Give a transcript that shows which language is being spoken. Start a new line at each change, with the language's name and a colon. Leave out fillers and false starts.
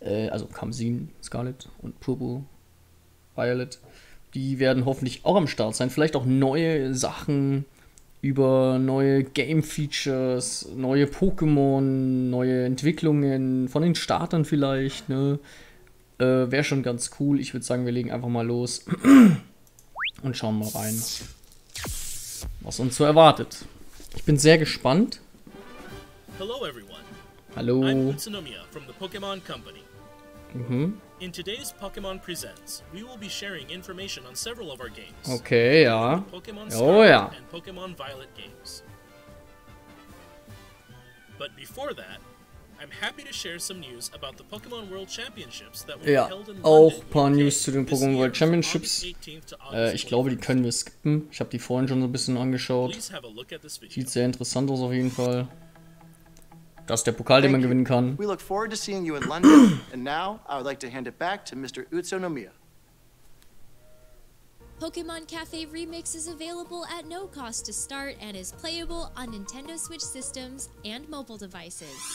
German: also Karmesin, Scarlet und Purpur, Violet, die werden hoffentlich auch am Start sein, vielleicht auch neue Sachen über neue Game-Features, neue Pokémon, neue Entwicklungen von den Startern vielleicht, ne? Wäre schon ganz cool. Ich würde sagen, wir legen einfach mal los und schauen mal rein, was uns so erwartet. Ich bin sehr gespannt.
English: Hello everyone.
German: Hallo.
English: I'm Utsunomiya from the Pokémon Company. Mhm. In today's Pokémon Presents, we will be sharing information on several of our games.
German: Okay, ja.
English: Pokémon Scarlet and Pokémon Violet games. But before that, I'm happy to share some news about the Pokémon World Championships that will be held in London.
German: Auch ein paar News zu den Pokémon World Championships. Ich glaube, die können wir skippen. Ich habe die vorhin schon so ein bisschen angeschaut. Sieht sehr interessant aus auf jeden Fall. Das ist der Pokal, den man gewinnen kann.
English: We look forward to seeing you in London. And now, I would like to hand it back to Mr. Utsunomiya. Pokémon Café Remix is available at no cost to start and is playable on Nintendo Switch systems and mobile devices.